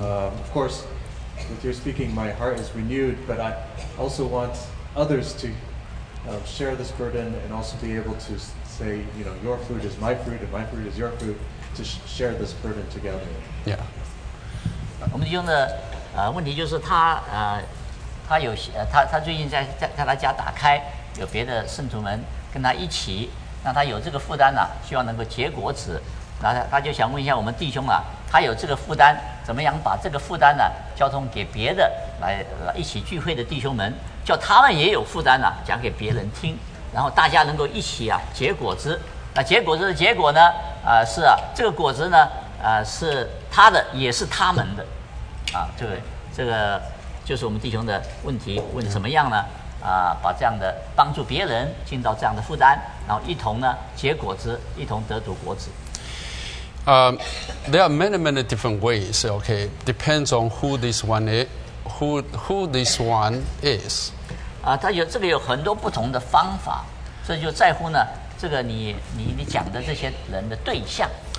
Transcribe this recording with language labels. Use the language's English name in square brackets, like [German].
[English] Of course, with your speaking, my heart is renewed, but I also want others to share this burden and also be able to say, you know, your fruit is my fruit and my fruit is your fruit, to share this burden together. Yeah. [Chinese] 我们弟兄的问题就是他有他最近在他家打开有别的圣徒们跟他一起，那他有这个负担呢、希望能够结果子，那他就想问一下我们弟兄啊，他有这个负担，怎么样把这个负担呢、交通给别的来一起聚会的弟兄们，叫他们也有负担呢、讲给别人听，然后大家能够一起啊结果子。那结果子的结果呢是啊，这个果子呢是他的也是他们的，啊，对，这个就是我们弟兄的问题，问怎么样呢？把这样的帮助别人尽到这样的负担，然后一同呢结果子，一同得主果子。 [English] There are many many different ways. Okay, depends on who this one is, who this one is. [Chinese] 他有这个有很多不同的方法，这就在乎呢这个你讲的这些人的对象。